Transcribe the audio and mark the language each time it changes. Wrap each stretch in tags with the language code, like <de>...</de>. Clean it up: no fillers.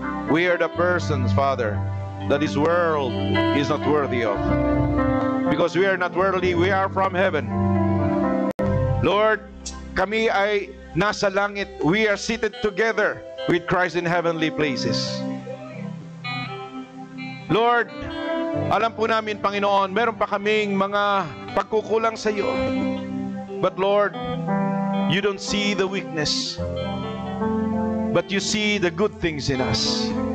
<en>We are the persons, Father, that this world is not worthy of. Because we are not worthy, we are from heaven. Lord,</en> <tl>kami ay nasa langit.</tl> <en>We are seated together with Christ in heavenly places.</en> <tl>Lord, alam po namin, Panginoon, meron pa kaming mga pagkukulang sa iyo.</tl> <en>But Lord, you don't see the weakness. But you see the good things in us.</en>